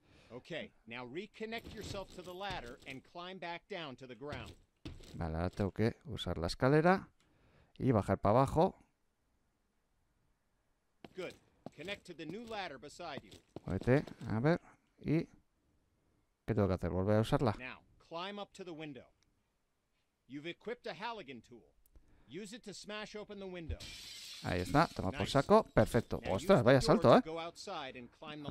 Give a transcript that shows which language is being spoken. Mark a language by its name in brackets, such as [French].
[English] Okay, now reconnect yourself to the ladder and climb back down to the ground. [Spanish] Vale, ahora tengo que usar la escalera y bajar para abajo. [English] Good. Connect to the new ladder beside you. [Spanish] Vete, a ver, y ¿qué tengo que hacer? Volver a usarla. [English] Now, climb up to the window. You've equipped a Halligan tool. Use it to smash open the window. [Spanish] Ahí está, toma por saco. Perfecto. [English] Now, [Spanish] ostras, vaya salto, ¿eh? [English] Go outside and climb the